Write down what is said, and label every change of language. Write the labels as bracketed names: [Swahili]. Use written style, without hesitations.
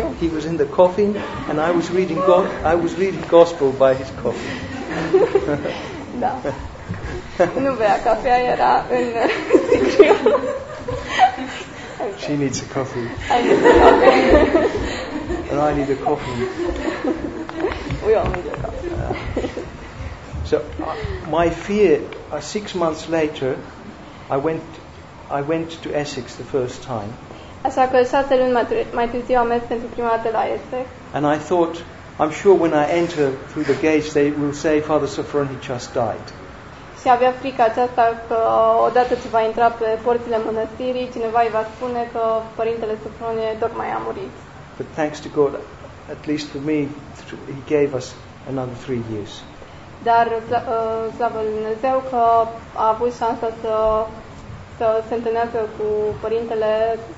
[English] He was in the coffin, and I was reading I was reading gospel by his coffin. [Romanian] Da. Nu bea cafea, era în sicriu. [English] She needs a coffee. I need a coffee. And I need a coffin. We all need a coffin. So my fear, 6 months later, I went to Essex the first time. [Romanian] Așa că 6 luni mai târziu am mers pentru prima dată la Essex. [English] And I thought, I'm sure when I enter through the gates they will say Father Sofronie just died. [Romanian] Și avea frica aceasta că odată ce va intra pe porțile mănăstirii, cineva îi va spune că părintele Sofronie tocmai a murit. [English] But thanks to God, at least for me, he gave us another 3 years. [Romanian] Dar slavă lui Dumnezeu că a avut șansa să se întâlnească cu părintele